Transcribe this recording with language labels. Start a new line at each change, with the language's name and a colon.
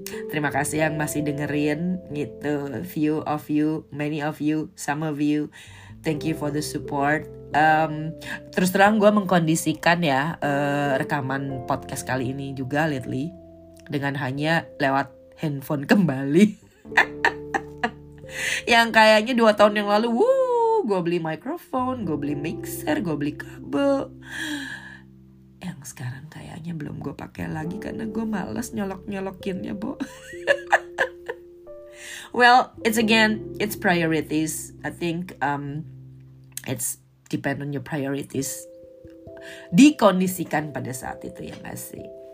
Indonesian: Terima kasih yang masih dengerin gitu.
English: Few of you, many of you, some of you, thank you for the support.
Indonesian: Terus terang gue mengkondisikan ya rekaman podcast kali ini juga lately dengan hanya lewat handphone kembali. Yang kayaknya 2 tahun yang lalu, gue beli microphone, gue beli mixer, gue beli kabel. Yang sekarang kayaknya belum gue pakai lagi karena gue malas nyolok-nyolokinnya, Bo.
English: Well, it's again, it's priorities. I think it's depend on your priorities.
Indonesian: Dikondisikan pada saat itu ya, gak sih?